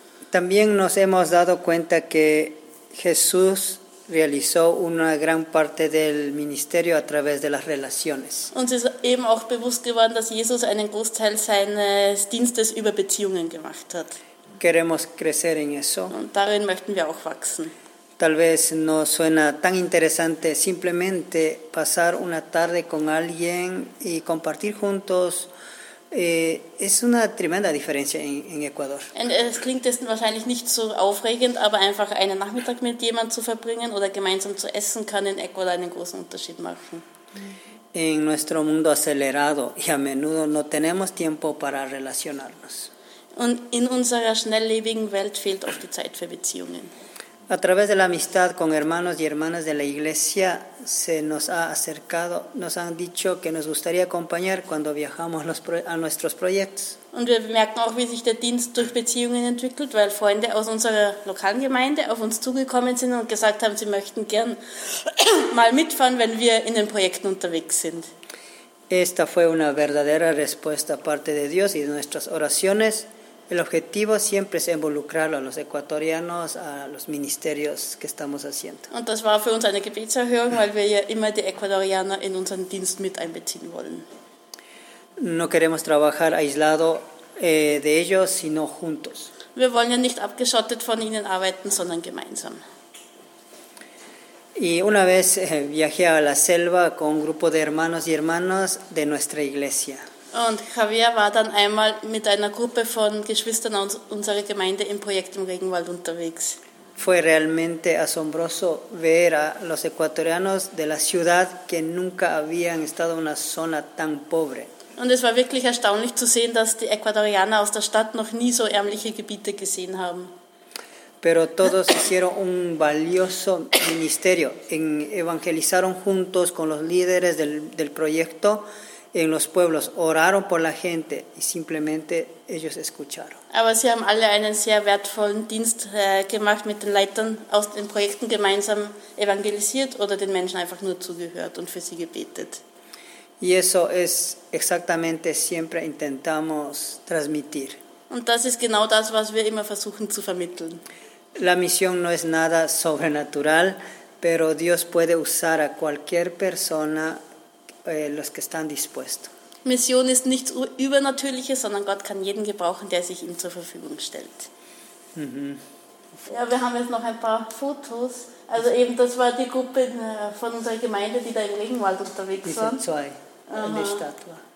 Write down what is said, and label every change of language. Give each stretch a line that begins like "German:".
Spanish: También nos hemos dado cuenta que Jesús realizó una gran parte del ministerio a través de las relaciones.
German: Uns ist eben auch bewusst geworden, dass Jesus einen Großteil seines Dienstes über Beziehungen gemacht hat.
Spanish: Queremos crecer en eso.
German: Und darin möchten wir auch wachsen.
Spanish: Tal vez no suena tan interesante simplemente pasar una tarde con alguien y compartir juntos. Es una tremenda diferencia en Ecuador.
German: Es klingt dessen wahrscheinlich nicht so aufregend, aber einfach einen Nachmittag mit jemandem zu verbringen oder gemeinsam zu essen, kann in Ecuador einen großen Unterschied machen.
Spanish: En nuestro mundo acelerado y a menudo no tenemos tiempo para relacionarnos.
German: Und in unserer schnelllebigen Welt fehlt oft die Zeit für Beziehungen.
Spanish: A través de la amistad con hermanos y hermanas de la iglesia se nos ha acercado, nos han dicho que nos gustaría acompañar cuando viajamos a nuestros proyectos.
German: Und wir merken auch, wie sich der Dienst durch Beziehungen entwickelt, weil Freunde aus unserer lokalen Gemeinde auf uns zugekommen sind und gesagt haben, sie möchten gern mal mitfahren, wenn wir in den Projekten unterwegs sind.
Spanish: Esta fue una verdadera respuesta parte de Dios y de nuestras oraciones. El objetivo siempre es involucrar a los ecuatorianos, a los ministerios que estamos haciendo.
German: Und das war für uns eine Gebetserhöhung, weil wir ja immer die Ecuadorianer in unseren Dienst mit einbeziehen wollen.
Spanish: No queremos trabajar aislado de ellos, sino juntos.
German: Wir wollen ja nicht abgeschottet von ihnen arbeiten, sondern gemeinsam.
Spanish: Y una vez viajé a la selva con un grupo de hermanos y hermanas de nuestra iglesia.
German: Und Javier war dann einmal mit einer Gruppe von Geschwistern aus unserer Gemeinde im Projekt im Regenwald unterwegs.
Spanish: Fue realmente asombroso ver a los ecuatorianos de la ciudad que nunca habían estado en una zona tan pobre.
German: Und es war wirklich erstaunlich zu sehen, dass die Ecuadorianer aus der Stadt noch nie so ärmliche Gebiete gesehen haben.
Spanish: Pero todos hicieron un valioso ministerio. Evangelizaron juntos con los líderes del proyecto en los pueblos. Oraron por la gente y simplemente ellos escucharon.
German: Aber sie haben alle einen sehr wertvollen Dienst gemacht mit den Leitern aus den Projekten gemeinsam evangelisiert oder den Menschen einfach nur zugehört und für sie gebetet.
Spanish: Y eso es exactamente siempre intentamos transmitir.
German: Und das ist genau das, was wir immer versuchen zu vermitteln.
Spanish: La misión no es nada sobrenatural, pero Dios puede usar a cualquier persona los que están dispuestos.
German: Misión ist nichts Übernatürliches, sondern Gott kann jeden gebrauchen, der sich ihm zur Verfügung stellt. Ja, wir haben jetzt noch ein paar Fotos. Also eben, das war die Gruppe von unserer Gemeinde, die da im Regenwald unterwegs waren. Diese zwei, die Stadt war.